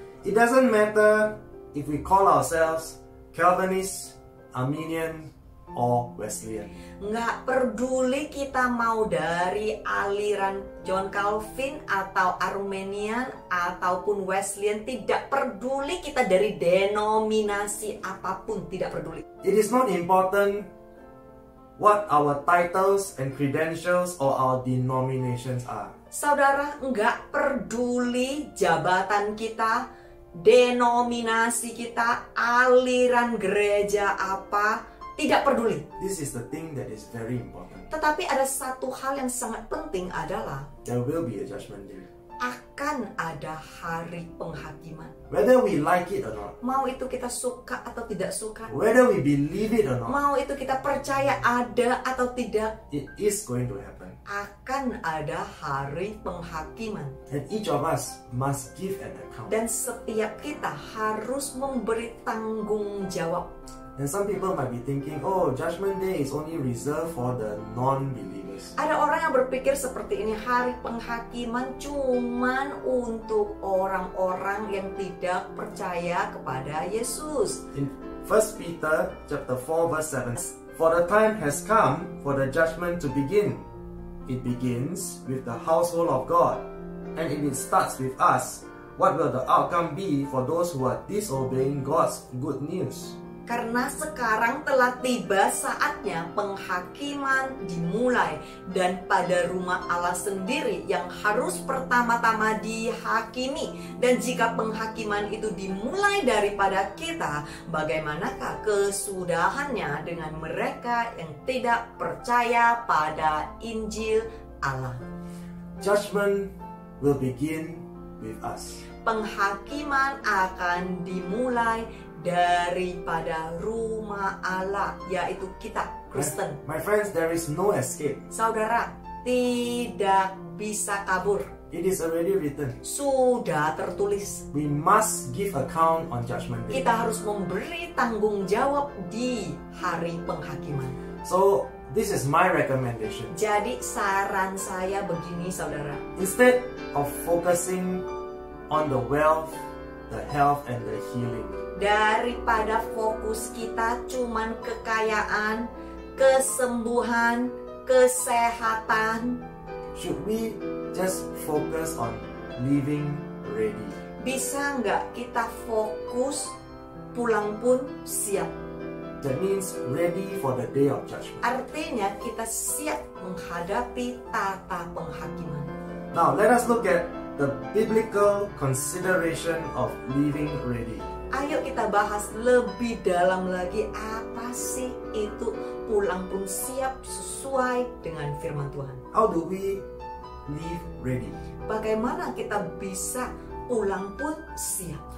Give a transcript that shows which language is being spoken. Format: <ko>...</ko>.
<en>It doesn't matter if we call ourselves Calvinist, Arminian, or Wesleyan.</en> <id>Nggak peduli kita mau dari aliran John Calvin atau Arminian ataupun Wesleyan, tidak peduli kita dari denominasi apapun, tidak peduli.</id> <en>It is not important what our titles and credentials or our denominations are.</en> <id>Saudara, nggak peduli jabatan kita, denominasi kita, aliran gereja apa, tidak peduli.</id> <en>This is the thing that is very important.</en> <id>Tetapi ada satu hal yang sangat penting adalah</id> <en>there will be a judgment day.</en> <id>Akan ada hari penghakiman.</id> <en>Whether we like it or not.</en> <id>Mau itu kita suka atau tidak suka.</id> <en>Whether we believe it or not.</en> <id>Mau itu kita percaya ada atau tidak.</id> <en>It is going to happen.</en> <id>Akan ada hari penghakiman.</id> <en>And each of us must give an account.</en> <id>Dan setiap kita harus memberi tanggung jawab.</id> <en>And some people might be thinking, oh, judgment day is only reserved for the non-believers.</en> <id>Ada orang yang berpikir seperti ini, hari penghakiman cuman untuk orang-orang yang tidak percaya kepada Yesus.</id> <en>In 1 Peter chapter 4 verse 7, for the time has come for the judgment to begin. It begins with the household of God. And if it starts with us, what will the outcome be for those who are disobeying God's good news?</en> <id>Karena sekarang telah tiba saatnya penghakiman dimulai, dan pada rumah Allah sendiri yang harus pertama-tama dihakimi. Dan jika penghakiman itu dimulai daripada kita, bagaimanakah kesudahannya dengan mereka yang tidak percaya pada Injil Allah?</id> <en>Judgment will begin with us.</en> <id>Penghakiman akan dimulai daripada rumah Allah, yaitu kita, Kristen.</id> <en>My friends, there is no escape.</en> <id>Saudara, tidak bisa kabur.</id> <en>It is already written.</en> <id>Sudah tertulis.</id> <en>We must give account on judgment day.</en> <id>Kita harus memberi tanggung jawab di hari penghakiman.</id> <en>So, this is my recommendation.</en> <id>Jadi, saran saya begini, saudara.</id> <en>Instead of focusing on the wealth, the health, and the healing.</en> <id>Daripada fokus kita cuman kekayaan, kesembuhan, kesehatan,</id> <en>should we just focus on living ready?</en> <id>Bisa enggak kita fokus pulang pun siap?</id> <en>That means ready for the day of judgment.</en> <id>Artinya kita siap menghadapi tata penghakiman.</id> <en>Now let us look at the biblical consideration of living ready.</en> <id>Ayo kita bahas lebih dalam lagi apa sih itu pulang pun siap sesuai dengan firman Tuhan.</id> <en>How do we live ready?</en> <id>Bagaimana kita bisa pulang pun siap?</id>